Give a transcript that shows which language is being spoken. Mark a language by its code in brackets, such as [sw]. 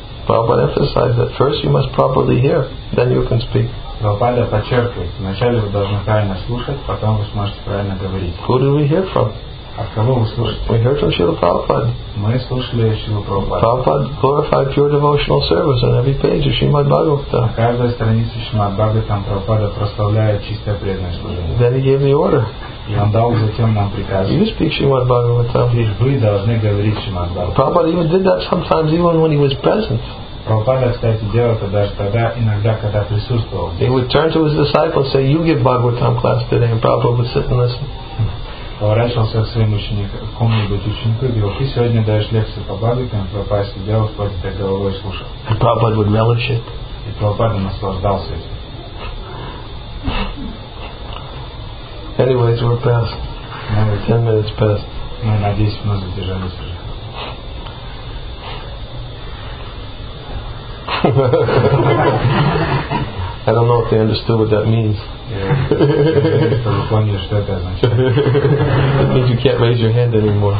[en] Prabhupada emphasized that first you must properly hear, then you can speak. [ru] Prabhupada подчеркивает, вначале вы должны правильно слушать, потом вы сможете правильно говорить. [en] Who do we hear from? [ru] кого вы слушали? [en] We heard from Srila Prabhupada. [ru] Мы слушали Srila Prabhupada. [en] Prabhupada glorified pure devotional service on every page of Srimad Bhagavatam. [ru] На каждой странице Srimad Bhagavatam Prabhupada прославляет чистое преданное служение. [en] Then he gave the order. [ru] И он дал затем нам приказ. [en] You speak Srimad Bhagavatam. [ru] Лишь вы должны говорить Srimad Bhagavatam. [en] Prabhupada even did that sometimes even when he was present. [ru] Prabhupada, кстати, делал это даже тогда, иногда, когда присутствовал. [en] He would turn to his disciples and say, you give Bhagavatam class today, and Prabhupada would sit and listen. [ru] Поворачивался к своим ученикам, к кому-нибудь ученику, и говорил, ты сегодня даешь лекцию по Бхагаватам, Прабхупада сидел, вплотит так головой и слушал. [en] And Prabhupada would relish it. [ru] И Прабхупада наслаждался этим. [en] Anyways, we're past. Now we're 10 minutes past. [ru] Мы на 10 минут задержались уже. [en] I don't know if they understood what that means. It means you can't raise your hand anymore.